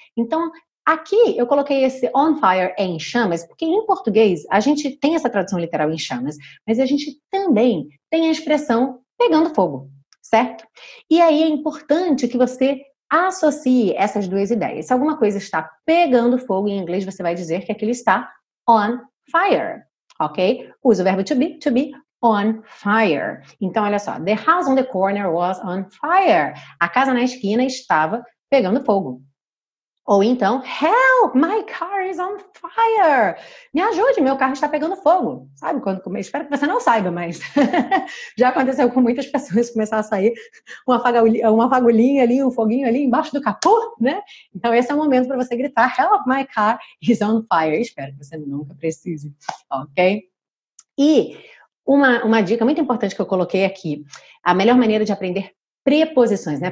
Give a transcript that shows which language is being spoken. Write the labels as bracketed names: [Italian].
[Portuguese] Então, aqui eu coloquei esse on fire em chamas, porque em português a gente tem essa tradução literal em chamas, mas a gente também tem a expressão pegando fogo, certo? E aí é importante que você associe essas duas ideias. Se alguma coisa está pegando fogo, em inglês você vai dizer que aquilo está on fire, ok? Usa o verbo to be on fire. Então, olha só, [English] the house on the corner was on fire. [Portuguese] A casa na esquina estava pegando fogo. Ou então, [English] help, my car is on fire. [Portuguese] Me ajude, meu carro está pegando fogo. Sabe quando começa? Espero que você não saiba, mas já aconteceu com muitas pessoas começar a sair uma fagulhinha ali, um foguinho ali embaixo do capô, né? Então, esse é o momento para você gritar, [English] help, my car is on fire. [Portuguese] Espero que você nunca precise, ok? E uma dica muito importante que eu coloquei aqui, a melhor maneira de aprender preposições, né?